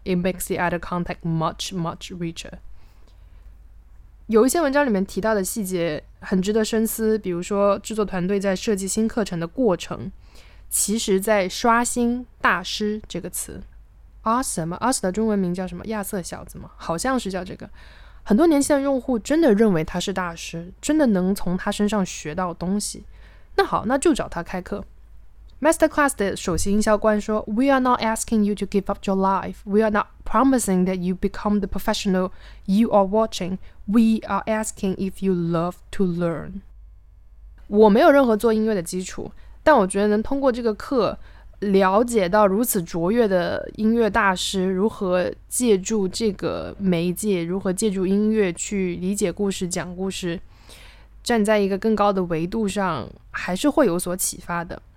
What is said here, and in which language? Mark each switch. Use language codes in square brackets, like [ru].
[en] It makes the other contact much much richer. [zh] 有一些文章里面提到的细节很值得深思，比如说制作团队在设计新课程的过程，其实在刷新大师这个词。 Awesome 的中文名叫什么，亚瑟小子吗？好像是叫这个。很多年轻的用户真的认为他是大师，真的能从他身上学到东西，那好，那就找他开课。 [en] Masterclass [zh] 的首席营销官说， [en] We are not asking you to give up your life. We are not promising that you become the professional you are watching. We are asking if you love to learn. [zh] 我没有任何做音乐的基础，但我觉得能通过这个课了解到如此卓越的音乐大师如何借助这个媒介，如何借助音乐去理解故事讲故事，站在一个更高的维度上还是会有所启发的。